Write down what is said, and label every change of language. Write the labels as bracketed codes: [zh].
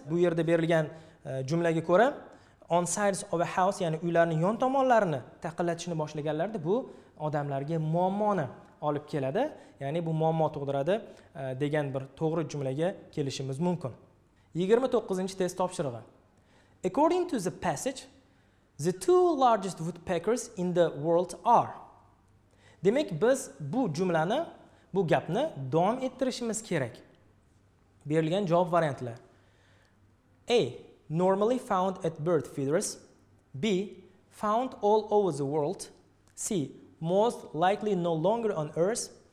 [uz] Bu yerda berilgan jumlaga ko'ra [en] on sides of a house, [uz] ya'ni uylarning yon tomonlarini taqillatishni boshlaganlarda bu odamlarga muammoni olib keladi, ya'ni bu muammo tug'diradi degan bir to'g'ri jumlaga kelishimiz mumkin. 29-test topshirig'i. [en] According to the passage, the two largest woodpeckers in the world are. [uz] Demek biz bu jumlani, bu gapni davom ettirishimiz kerak. Berilgan javob variantlari. A. [en] Normally found at bird feeders. B. Found all over the world. C. Most likely no longer on earth.